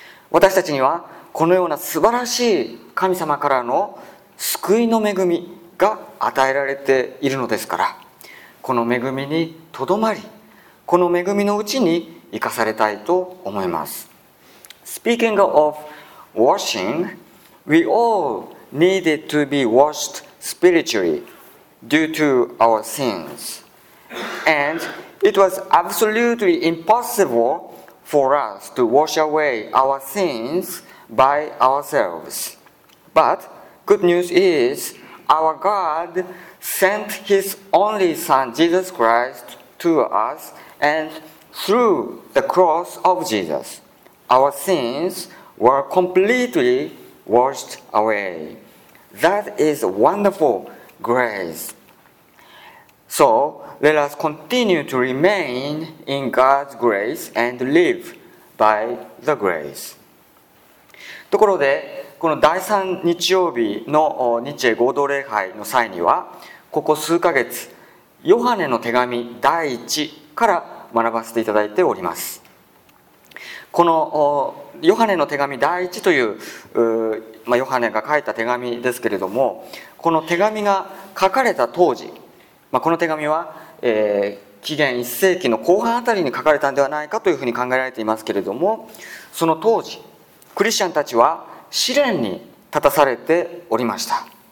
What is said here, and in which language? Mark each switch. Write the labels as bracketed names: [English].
[Japanese] 私たちにはこのような素晴らしい神様からの救いの恵みが与えられているのですから、この恵みにとどまり、この恵みのうちに生かされたいと思います。 [English] Speaking of washing, we all needed to be washed spiritually due to our sins, and it was absolutely impossible for us to wash away our sins by ourselves. But good news is, our God sent His only Son, Jesus Christ, to us, and through the cross of Jesus, our sins were completely washed away. That is a wonderful grace. So let us continue to remain in God's grace and live by the grace. [Japanese] ところで、この第三日曜日の日英合同礼拝の際には、ここ数ヶ月、ヨハネの手紙第一から学ばせていただいております。このヨハネの手紙第一という、ヨハネが書いた手紙ですけれども、この手紙が書かれた当時、この手紙は、紀元1世紀の後半あたりに書かれたのではないかというふうに考えられていますけれども、その当時クリスチャンたちは試練に立たされておりました。